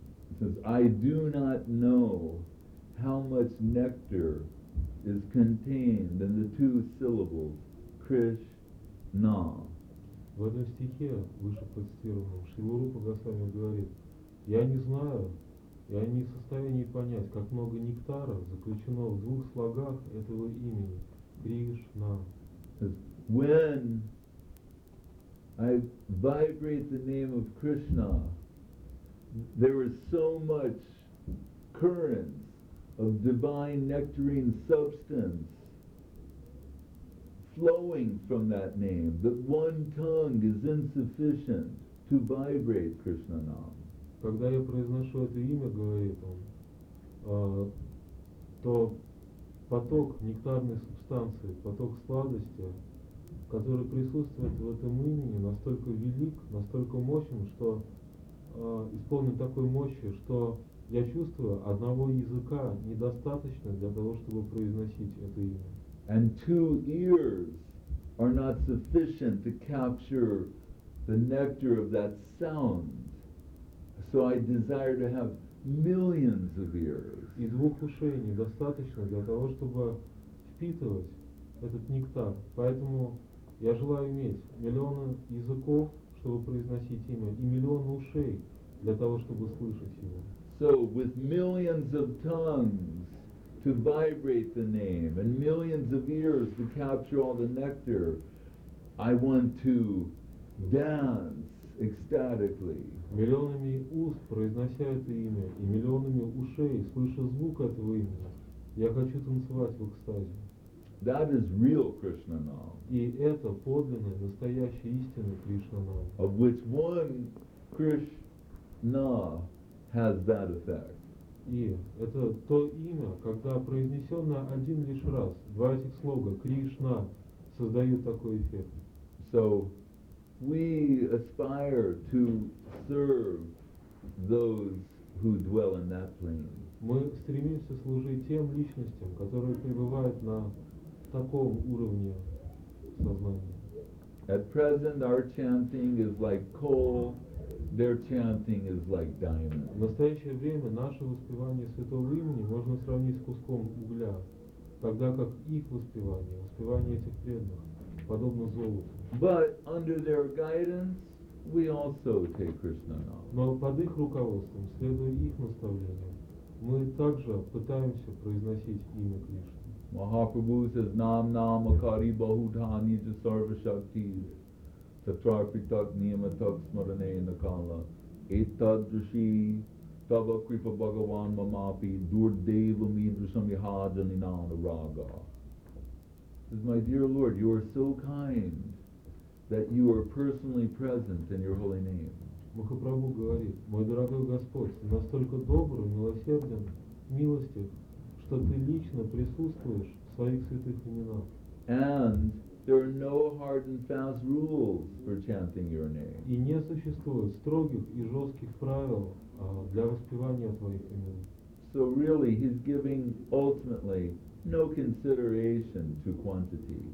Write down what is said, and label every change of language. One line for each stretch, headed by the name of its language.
English: It says, I do not know how much nectar is contained in the two syllables Krishna.
Russian: В этом стихе, выше процитированном, Шрила Рупа Госвами говорит, я не знаю, я не в состоянии понять, как много нектара заключено в двух слогах этого имени Кришна.
English: When I vibrate the name of Krishna, there is so much current of divine nectarine substance flowing from that name that one tongue is insufficient to vibrate Krishna nam.
Russian: Когда я произношу это имя, говорит он, то поток нектарной субстанции, поток сладости, который присутствует в этом имени, настолько велик, настолько мощен, что исполнен такой мощью, что я чувствую, одного языка недостаточно для того, чтобы произносить это имя.
English: And two ears are not sufficient to capture the nectar of that sound. So I desire to have millions of ears.
Russian: И двух ушей недостаточно для того, чтобы впитывать этот нектар. Поэтому я желаю иметь миллионы языков, чтобы произносить имя, и миллионы ушей для того, чтобы слышать его.
English: So with millions of tongues to vibrate the name and millions of ears to capture all the nectar, I want to dance ecstatically.
Russian: Миллионами уст произнося это имя и миллионами ушей слыша звук этого имени, я хочу танцевать в экстазе.
English: That is real Krishna Nam.
Russian: И это подлинный, настоящий, истинный Кришна Нам.
English: Of which one Krishna has that effect.
Russian: И это то имя, когда произнесенное один лишь раз, два этих слога Кришна создают такой эффект.
English: So we aspire to serve those who dwell in that plane.
Russian: Мы стремимся служить тем личностям, которые пребывают на таком уровне сознания.
English: At present our chanting is like coal, their chanting is like diamond.
Russian: В настоящее время наше воспевание святого имени можно сравнить с куском угля, тогда как их воспевание, воспевание этих преданных, подобно золоту.
English: But under their guidance we also take Krishna Nam.
Russian: Но под их руководством, следуя их наставлениям, мы также пытаемся произносить имя Кришны.
English: Mahaprabhu says,
Sanskrit: Nam Nam Akari Bahudhani Jasarva Shakti Satrapitak Niyamatak Smarane Nakala Etad Rishi Tava Kripa Bhagavan Mamapi Durdeva Midrasamihajani Nana Raga.
English: Says, my dear Lord, you are so kind that you are personally present in your holy name.
Russian: Mahaprabhu говорит, мой дорогой Господь, ты настолько добр, милосерден, милостив, что ты лично присутствуешь в своих святых именах.
English: And there are no hard and fast rules for chanting your name.
Russian: И не существует строгих и жестких правил для воспевания твоих имен.
English: So really, he's giving ultimately no consideration to quantity.